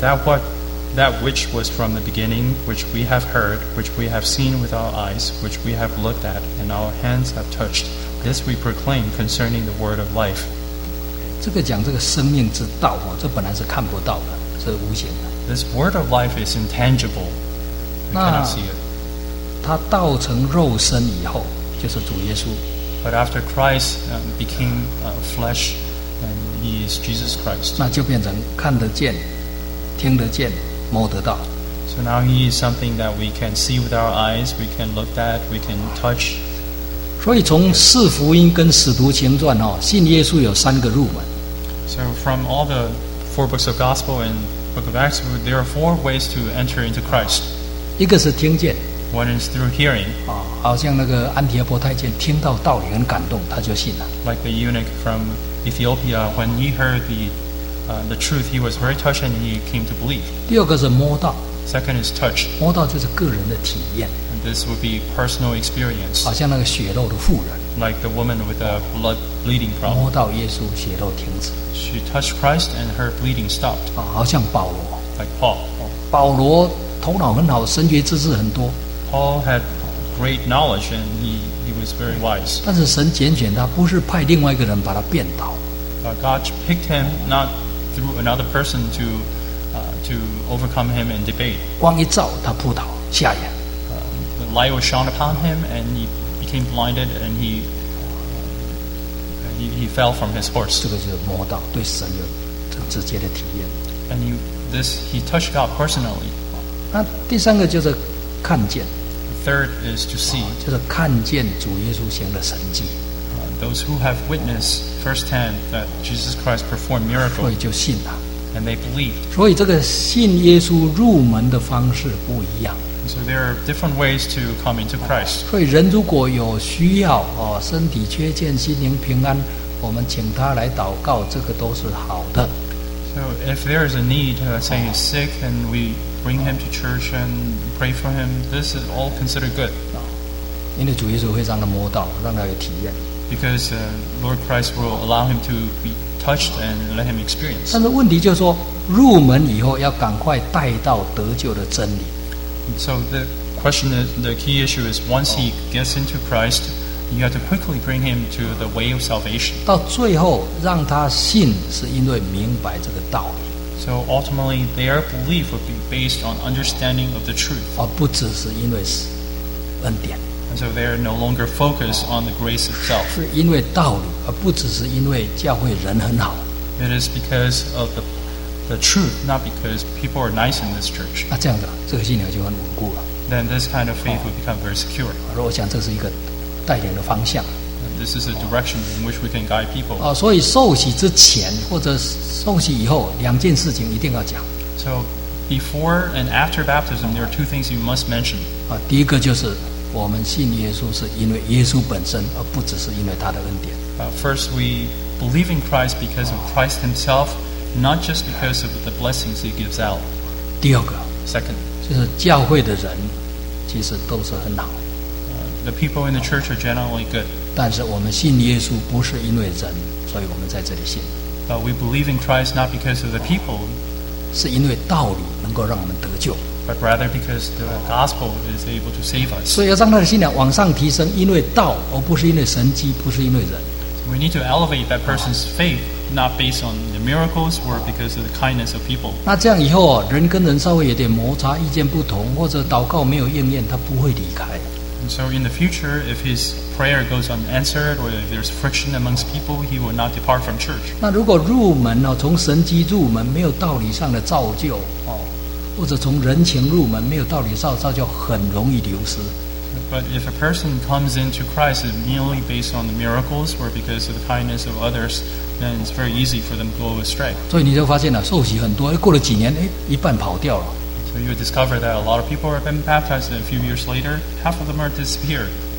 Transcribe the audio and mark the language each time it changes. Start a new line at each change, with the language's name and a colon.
English: That which was from the beginning, which we have heard, which we have seen with our eyes, which we have looked at, and our hands have touched, this we proclaim concerning the word of life.
Chinese: 这个讲这个生命之道啊，这本来是看不到的，是无形的。
English: This word of life is intangible. You cannot see it.
Chinese: 它道成肉身以后，就是主耶稣。
English: But after Christ became flesh, and He is Jesus Christ,
Chinese: 那就变成看得见、听得见、摸得到。
English: So now He is something that we can see with our eyes, we can look at, we can touch.
Chinese: 所以从四福音跟使徒行传哦，信耶稣有三个入门。
English: So from all the four books of Gospel and Book of Acts, there are four ways to enter into Christ.
Chinese: 一个是听见。
English: One is through hearing.
Chinese: 好像那个安提阿波太监听到道理很感动，他就信了。
English: Like the eunuch from Ethiopia, when he heard the truth, he was very touched and he came to believe.
Chinese: 第二个是摸到。
English: Second is touch.
Chinese: 摸到就是个人的体验。
English: And this would be personal experience.
Chinese: 好像那个血漏的妇人。
English: Like the woman with a blood bleeding problem.
Chinese: 摸到耶稣，血漏停止。
English: She touched Christ and her bleeding stopped.
Chinese: 好像保罗。
English: Like Paul.
Chinese: 保罗头脑很好，神学知识很多。
English: Paul had great knowledge and he was very wise.
Chinese: 但是神拣选他，不是派另外一个人把他变倒。
English: But God picked him not through another person to overcome him and debate.
Chinese: 光一照他扑倒，瞎眼。
English: The light was shone upon him and he became blinded and he fell from his horse.
Chinese: 这个就是摸到对神有很直接的体验。
English: And he touched God personally.
Chinese: 那第三个就是。看见
English: The third is to see.
Chinese: 就是看见主耶稣行的神迹。
English: Those who have witnessed firsthand that Jesus Christ performed miracles.
Chinese: 所以就信了。
English: And they believed.
Chinese: 所以这个信耶稣入门的方式不一样。
English: And so there are different ways to come into Christ.
Chinese: 所以人如果有需要，身体缺欠，心灵平安，我们请他来祷告，这个都是好的。
English: So So if there is a need, say he's sick, and we bring him to church and pray for him, this is all considered good.
Chinese: 因为主耶稣会让他摸到，让他有体验。
English: Because Lord Christ will allow him to be touched and let him experience.
Chinese: 但是问题就是说，入门以后要赶快带到得救的真理。
English: So the question is, the key issue is once he gets into Christ, you have to quickly bring him to the way of salvation.
Chinese: 到最后让他信，是因为明白这个道理。
English: So ultimately, their belief would be based on understanding of the truth.
Chinese: 而不只是因为恩典。
English: And so they are no longer focused on the grace itself.
Chinese: 是因为道理，而不只是因为教会人很好。
English: It is because of the truth, not because people are nice in this church.
Chinese: 那这样的，这个信仰就很稳固了。
English: Then this kind of faith will become very secure.
Chinese: 我想这是一个带领的方向。
English: And this is a direction in which we can guide people.
Chinese: 所以受洗之前或者受洗以后，两件事情一定要讲。
English: So before and after baptism, there are two things you must mention.
Chinese: 第一个就是。我们信耶稣是因为耶稣本身，而不只是因为他的恩典。
English: First, we believe in Christ because of Christ Himself, not just because of the blessings He gives out.
Chinese: 第二个
English: ，Second,
Chinese: 就是教会的人其实都是很好。
English: The people in the church are generally good.
Chinese: 但是我们信耶稣不是因为人，所以我们在这里信。
English: But we believe in Christ not because of the people.
Chinese: 是因为道理能够让我们得救。
English: But rather because the gospel is able to save us.
Chinese: 所以要让他的信仰往上提升，因为道，而不是因为神迹，不是因为人。
English: So we need to elevate that person's faith, not based on the miracles or because of the kindness of people.
Chinese: 那这样以后，人跟人稍微有点摩擦，意见不同，或者祷告没有应验，他不会离开。
English: And so in the future, if his prayer goes unanswered or if there's friction amongst people, he will not depart from church.
Chinese: 那如果入门呢，从神迹入门，没有道理上的造就。或者从人情入门没有道理造就，很容易流失。
English: But if a person comes into Christ merely based on the miracles or because of the kindness of others, then it's very easy for them to go astray.
Chinese: 所以你就发现了，受洗很多，过了几年，一半跑掉了。
English: So you discover that a lot of people have been baptized, and a few years later, half of them are disappeared.